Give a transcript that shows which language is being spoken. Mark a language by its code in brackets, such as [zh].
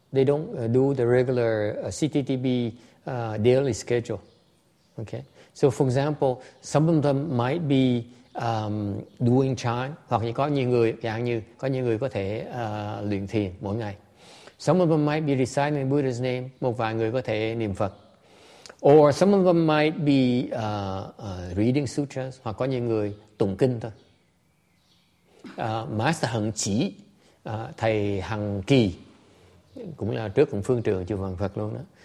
[en] They don't do the regular CTTB daily schedule. Okay. So for example, some of them might be doing chan, [vi] hoặc như có nhiều người, dạng như có nhiều người có thể luyện thiền mỗi ngày. [en] Some of them might be reciting the Buddha's name. [vi] Một vài người có thể niệm Phật. [en] Or some of them might be reading sutras, [vi] hoặc có nhiều người tụng kinh thôi. Master Hằng Chỉ, thầy Hằng Kỳ, cũng là trước cũng phương trưởng chùa Vạn Phật luôn đó.